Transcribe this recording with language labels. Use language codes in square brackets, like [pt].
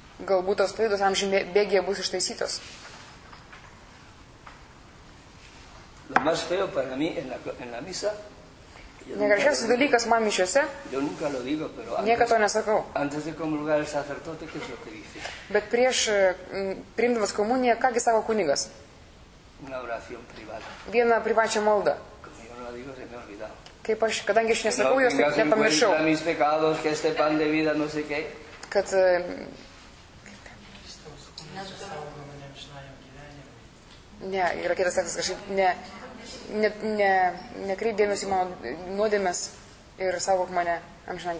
[lt] Galbūt tos klaidos amžiuje bėgėje bus ištaisytos. [es] Lo más feo para mí en la misa. [lt] Negražiausias dalykas man mišiose. [es] Yo nunca lo digo, pero [lt] niekad to nesakau. [es] Antes de comulgar el sacerdote, ¿qué es lo que dice? [lt] Bet prieš priimdamas komuniją, kągi sako kunigas? [es] Una oración privada. [lt] Viena privačia malda. Kaip aš, kadangi aš nesakau, jos taip nepamiršau. Kad ne, yra kitas tekstas kažkaip, nekreip dėmesį mano nuodėmes ir saugok mane amžinam